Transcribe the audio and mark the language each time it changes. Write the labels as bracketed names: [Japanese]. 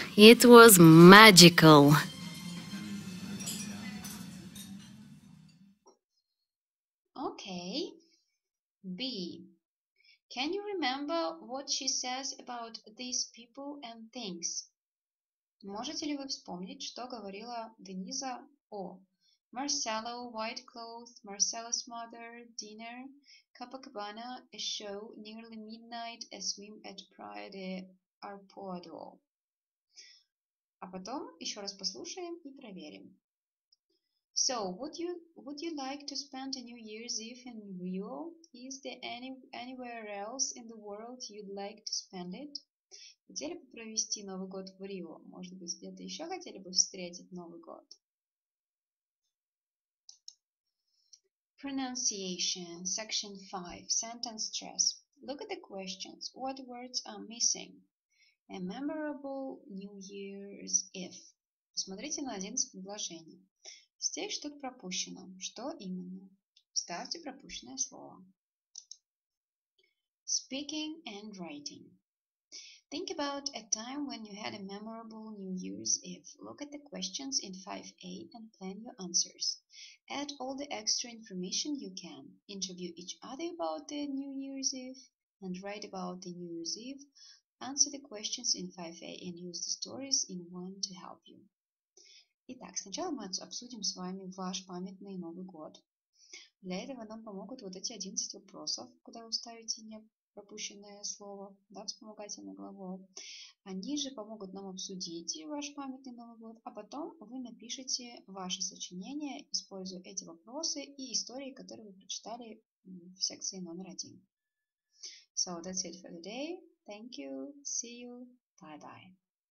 [English] It was magical. Okay. B. Can you remember what she says about these people and things? [Russian] Можете ли вы вспомнить, что говорила Дениза о... [English] Marcelo, white clothes, Marcelo's mother, dinner, Copacabana, a show, nearly midnight, a swim at Praia de Arpoador. [Russian] А потом еще раз послушаем и проверим. [English] So, would you like to spend a New Year's Eve in Rio? Is there anywhere else in the world you'd like to spend it? [Russian] Хотели бы провести Новый год в Рио? Может быть, где-то еще хотели бы встретить Новый год? [English] Pronunciation, section 5, sentence stress. Look at the questions. What words are missing? A memorable New Year's Eve. [Russian] Посмотрите на 11 предложений. Здесь что-то пропущено. Что именно? Ставьте пропущенное слово. [English] Speaking and writing. Think about a time when you had a memorable New Year's Eve. Look at the questions in 5A and plan your answers. Add all the extra information you can. Interview each other about the New Year's Eve and write about the New Year's Eve. Answer the questions in 5A and use the stories in 1 to help you. [Russian] Итак, сначала мы обсудим с вами ваш памятный Новый год. Для этого нам помогут вот эти 11 вопросов, куда вы ставите пропущенное слово, да, вспомогательный глагол. Они же помогут нам обсудить ваш памятный Новый год, а потом вы напишите ваше сочинение, используя эти вопросы и истории, которые вы прочитали в секции номер 1. [English] So, that's it for today. Thank you. See you. Bye-bye.